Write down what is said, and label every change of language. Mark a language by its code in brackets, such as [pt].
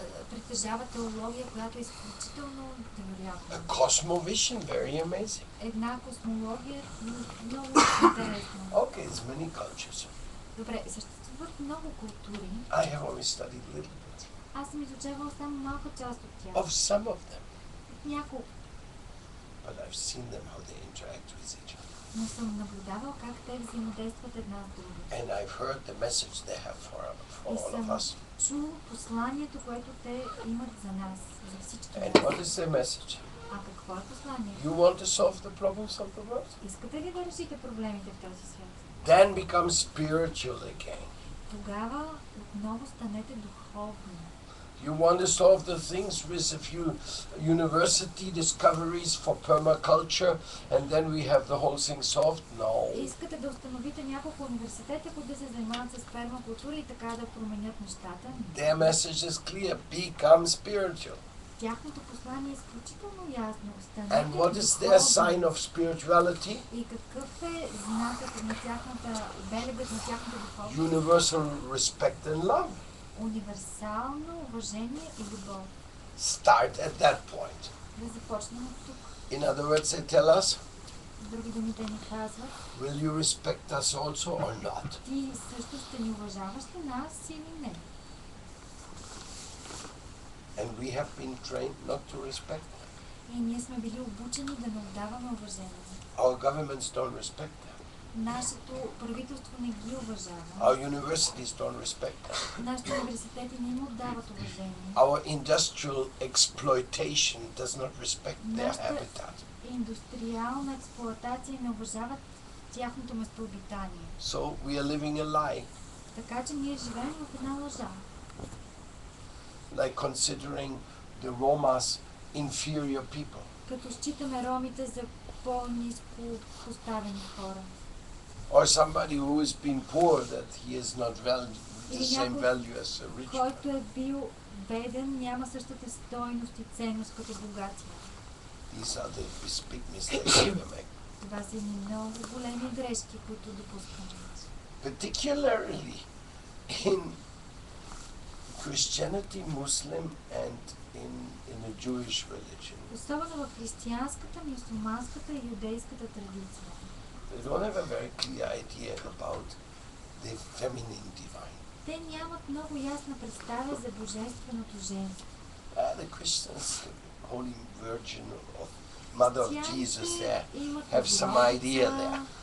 [bg] Притежава теология, която е изключително невероятна. [en] A cosmovision, very amazing. [bg] Една космология, много интересна. [en] Okay, it's many cultures. [bg] Добре, съществуват много култури. [en] I have only studied a little bit. [bg] Аз съм изучавал само малка част от тях. [en] Of some of them. [bg] Няколко. [en] But I've seen them how they interact with each other. [bg] Но съм наблюдавал как те взаимодействат една с друга. [en] And I've heard the message they have for all of us. [bg] Чул посланието, което те имат за нас, за всички. [en] And what is the message? [bg] А какво е посланието? [en] You want to solve the problems of the world? [bg] Искате ли да решите проблемите в този свят? [en] Then become spiritual again. [bg] Тогава отново станете духовни. [en] You want to solve the things with a few university discoveries for permaculture and then we have the whole thing solved? No. [bg] Искате да установите няколко университета, които да се занимават с пермакултура и така да променят нещата? [en] Their message is clear. Become spiritual. [bg] Тяхното послание е изключително ясно. [en] And what is their sign of spirituality? [bg] И какъв е знакът на тяхната белега на тяхната духовност? [en] Universal respect and love. [bg] Универсално уважение и любов. [en] Start at that point. [bg] Да започнем от тук. [en] In other words, they tell us. [bg] Други думи те ни казват. [en] Will you respect us also or not? [bg] Ти също ще ни уважаваш ли нас или не? [en] And we have been trained not to respect. [bg] И ние сме били обучени да не отдаваме уважение. [en] Our governments don't respect. [bg] Нашето правителство не ги уважава. [en] Our universities don't respect. [bg] Нашите университети не им отдават уважение. [en] Our industrial exploitation does not respect their habitat. [bg] Индустриална експлоатация не уважават тяхното местообитание. [en] So we are living a lie. [bg] Така че ние живеем в една лъжа. [en] Like considering the Romas inferior people. [bg] Като считаме ромите за по-ниско поставени хора. [en] Or somebody who has been poor that he is not the same value as a rich. [bg] Който е бил беден, няма същата стойност и ценност като богатия. [en] These are the big mistakes we make. [bg] Това са много големи грешки, които допускаме. [en] Particularly in Christianity, Muslim and in a Jewish religion. [bg] Особено в християнската, мюсюлманската и юдейската традиция. [en] They don't have a very clear idea about the feminine divine. [bg] Те нямат много ясна представа за божественото женство. [en] The Christians, the Holy Virgin of Mother of Jesus there, have some idea there.